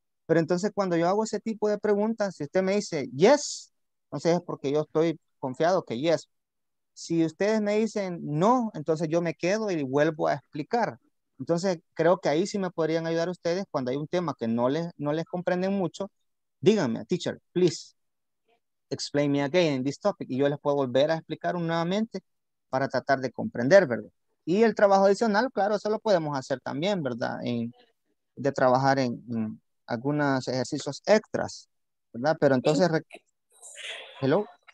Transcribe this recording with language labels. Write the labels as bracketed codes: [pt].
[es] Pero entonces cuando yo hago ese tipo de preguntas, si usted me dice [en] yes, [es] entonces es porque yo estoy confiado que yes. Si ustedes me dicen no, entonces yo me quedo y vuelvo a explicar. Entonces creo que ahí sí me podrían ayudar ustedes cuando hay un tema que no les comprenden mucho. Díganme, [en] teacher, please, explain me again in this topic. [es] Y yo les puedo volver a explicar nuevamente para tratar de comprender, ¿verdad? Y el trabajo adicional, claro, eso lo podemos hacer también, ¿verdad? De trabajar en algunos ejercicios extras, ¿verdad? Pero entonces, ¿hello?